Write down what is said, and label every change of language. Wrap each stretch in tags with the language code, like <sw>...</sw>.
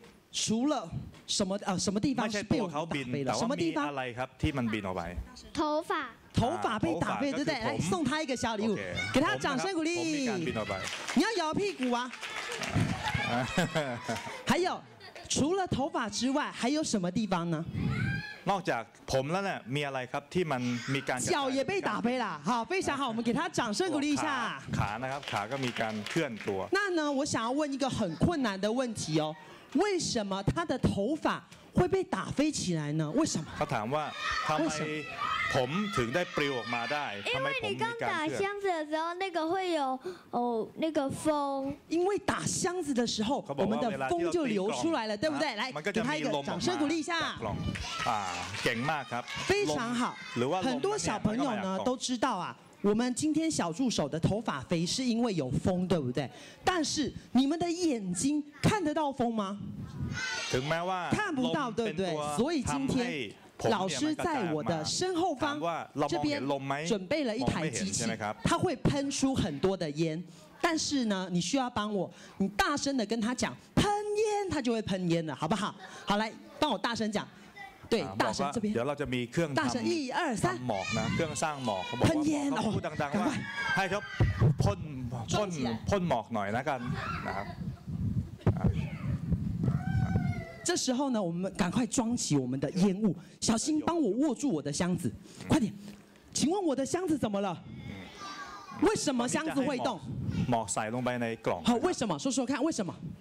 <zh>除了什么什么地方是被我打飞了？什么地方？</zh> <th>来，ครับ，ที่มันบินออกไป。</th> <zh>头发。头发被打飞，对不对？来送他一个小礼物，给他掌声鼓励。你要摇屁股啊！还有，除了头发之外，还有什么地方呢？</zh> <th>นอกจากผมแล้วเนี่ยมีอะไรครับที่มันมีการ</th> <zh>脚也被打飞了，好，非常好，我们给他掌声鼓励一下。</zh> <th>ขานะครับ，ขาก็มีการเคลื่อนตัว。</th> <zh>那呢，我想要问一个很困难的问题哦。为什么他的头发会被打飞起来呢？为什么？</zh> <th>他ถามว่าทำไมผมถึงได้ปลิวออกมาได้？</th> <zh>因为你刚打箱子的时候，那个会有那个风。因为打箱子的时候，我们的风就流出来了，对不对？来，给他一个掌声鼓励一下。啊，劲嘛，ครับ。非常好。很多小朋友呢都知道啊。我们今天小助手的头发飞是因为有风，对不对？但是你们的眼睛看得到风吗？看不到，对不对？所以今天老师在我的身后方这边准备了一台机器，它会喷出很多的烟。但是呢，你需要帮我，你大声的跟他讲喷烟，他就会喷烟了，好不好？好，来帮我大声讲。对，大声这边。等下，我们有一个大声，一二三。</zh> <th>หมอก呢？เครื่องสร้างหมอก。</th> <zh>喷烟哦。</zh> <th>พูดดังๆว่า，ให้เขาพ่นพ่นพ่นหมอกหน่อยนะกันนะครับ。</th> <zh>这时候呢，我们赶快装起我们的烟雾，小心帮我握住我的箱子，快点。请问我的箱子怎么了？为什么箱子会动？</zh> <th>หมอกใส่ลงไปในกล่อง。</th> <zh>好，为什么？说说看，为什么？</zh>